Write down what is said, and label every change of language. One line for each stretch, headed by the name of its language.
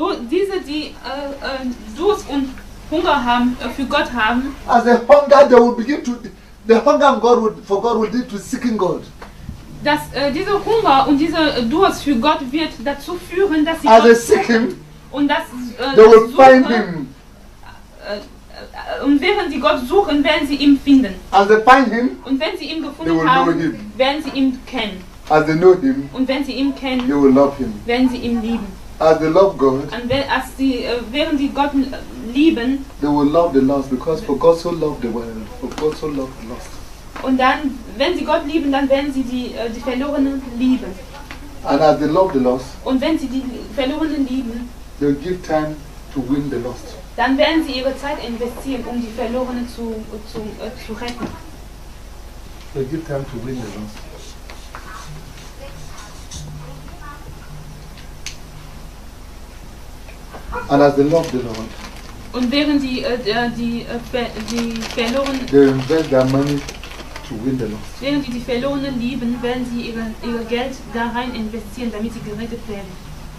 German: Diese die Durst und Hunger haben für Gott haben.
English: As they hunger, they will begin to. The hunger for God will lead to seeking God.
German: Dass dieser Hunger und dieser Durst für Gott wird dazu führen, dass sie
English: as they seek him,
German: Und das,
English: they will find him.
German: Und während sie Gott suchen, werden sie ihn finden.
English: As they find him,
German: und wenn sie ihn gefunden haben, werden sie ihn kennen.
English: As they know him,
German: und wenn sie ihn kennen,
English: they will love him.
German: Werden sie ihn lieben.
English: As they love God, and as the,
German: während sie Gott lieben,
English: they will love the lost, because for God so loved the world, for God so loved the lost.
German: Und dann, wenn sie Gott lieben, dann werden sie die Verlorenen lieben.
English: And as they love the lost,
German: und wenn sie die Verlorenen lieben,
English: they will give time to win the lost.
German: Dann werden sie ihre Zeit investieren, um die Verlorenen zu retten.
English: They give time to win the lost. And as they love the Lord,
German: und während die Verlorenen,
English: they invest their money to win the lost.
German: Während sie die Verlorenen lieben, werden sie ihr Geld da rein investieren, damit sie gerettet werden.